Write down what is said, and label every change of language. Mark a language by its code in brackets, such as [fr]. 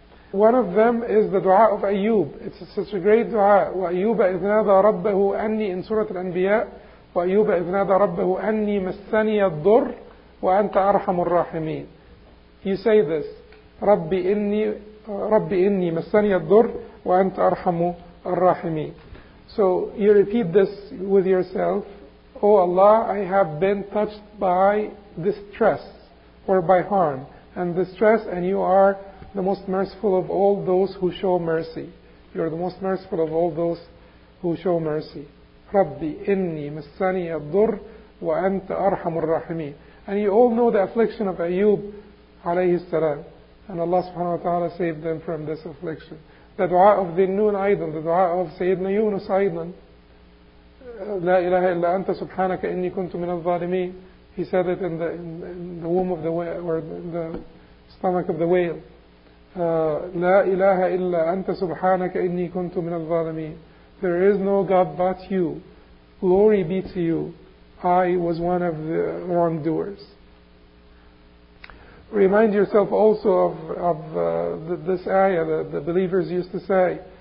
[en] One of them is the dua of Ayyub. It's such a great dua. [ar] وَأَيُّوبَ إِذْ نَادَى رَبَّهُ أَنِّي, [en] in Surah Al-Anbiya, [ar] وَأَيُّوبَ إِذْ نَادَى رَبَّهُ أَنِّي مَسَّنِيَ الضُّرُّ وَأَنْتَ أَرْحَمُ الرَّاحِمِينَ. [en] You say this, [ar] رَبِّ إِنِّي مَسَّنِيَ الضُّرُّ وَأَنْتَ أَرْحَمُ الرَّاحِمِينَ. [en] So you repeat this with yourself. Oh Allah, I have been touched by distress or by harm and distress, and you are the most merciful of all those who show mercy. You are the most merciful of all those who show mercy. [ar] رَبِّ إِنِّي مَسَّنِيَ الضُّرُّ وَأَنْتَ أَرْحَمُ الرَّحِمِينَ. [en] And you all know the affliction of Ayyub alayhi salam, and Allah subhanahu wa ta'ala saved them from this affliction. The dua of the Noon Aydan, the dua of Sayyidina Yunus Aydan, [ar] لا إله إلا أنت سبحانك إني كنت من الظالمين. [en] He said it in the womb of the whale, or in the stomach of the whale. [ar] لا إله إلا أنت سبحانك إني كنت من الظالمين. [en] There is no God but you. Glory be to you. I was one of the wrongdoers. Remind yourself also of this ayah that the believers used to say.